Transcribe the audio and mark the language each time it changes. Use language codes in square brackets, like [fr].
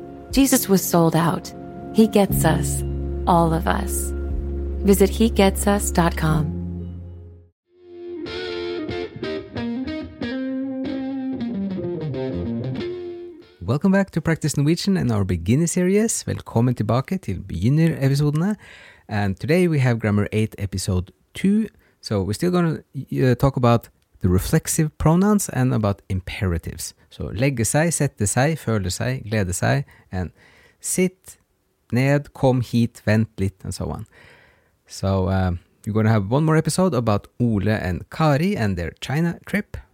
[en] Jesus was sold out. He gets us, all of us. Visit hegetsus.com. Welcome back to Practice Norwegian and our beginner series. [no] Velkommen tilbake til begynner-episodene. [en] And today we have Grammar 8, Episode 2. So we're still going to talk about the reflexive pronouns and about imperatives. [no] So legge seg, sette seg, føle seg, glede seg, and sit, ned, kom hit, vent litt, [en] and so on. So we're going to have one more episode about Ole and Kari and their China trip.